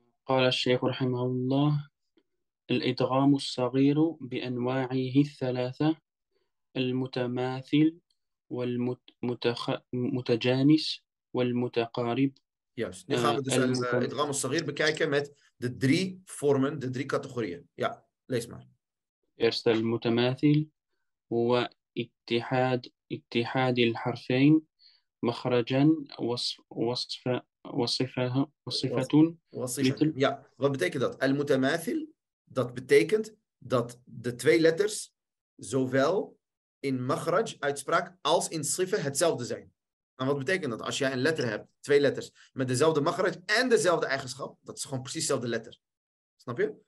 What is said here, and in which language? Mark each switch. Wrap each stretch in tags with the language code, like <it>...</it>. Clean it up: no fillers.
<ar>قال الشيخ رحمه الله الإدغام الصغير بأنواعه الثلاثة المتماثل والمتجانس والمتقارب.</ar> <en>Yes.</en> <nl>Nu gaan we dus الإدغام الصغير bekijken met de drie vormen, de drie categorieën. Ja, lees maar.</nl> <ar>Eerst المتماثل هو اتحاد الحرفين مخرجا وصف</ar> <nl>Wasifatun. Ja, wat betekent dat? Al-mutamathil, dat betekent dat de twee letters zowel in magraj uitspraak als in sifa hetzelfde zijn. En wat betekent dat? Als jij een letter hebt, twee letters, met dezelfde magraj en dezelfde eigenschap, dat is gewoon precies dezelfde letter. Snap je?</nl>